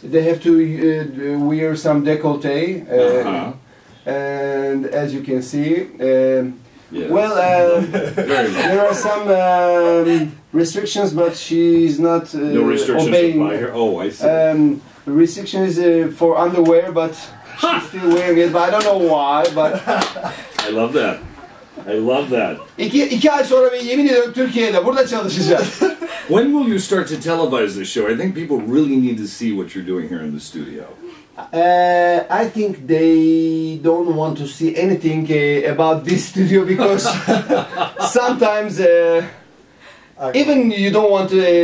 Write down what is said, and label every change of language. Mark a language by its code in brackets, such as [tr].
[en] They have to wear some décolleté. And as you can see, yes. Well, there are some restrictions, but she's not no restrictions obeying. By her. Oh, I see. Restriction is for underwear, but she's still wearing it. But I don't know why. But I love that. I love that. [tr] İki ay sonra bir yemin ediyorum Türkiye'de burada çalışacağız. [en] When will you start to televise this show? I think people really need to see what you're doing here in the studio. I think they don't want to see anything about this studio because sometimes even you don't want to.